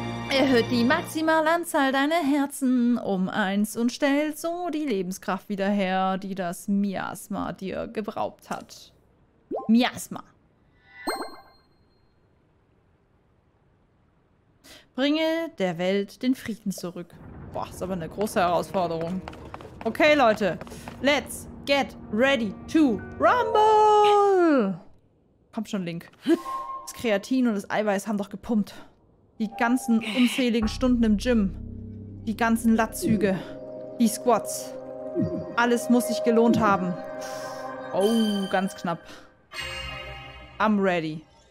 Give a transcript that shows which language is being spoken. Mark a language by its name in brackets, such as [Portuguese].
[German] Erhöht die Maximalanzahl deiner Herzen um 1 und stellt so die Lebenskraft wieder her, die das Miasma dir geraubt hat. Miasma. Bringe der Welt den Frieden zurück. Boah, ist aber eine große Herausforderung. Okay, Leute. [English] Let's get ready to rumble! [German] Komm schon, Link. Das Kreatin und das Eiweiß haben doch gepumpt. Die ganzen unzähligen Stunden im Gym. Die ganzen Latzüge. Die Squats. Alles muss sich gelohnt haben. Oh, ganz knapp. I'm ready.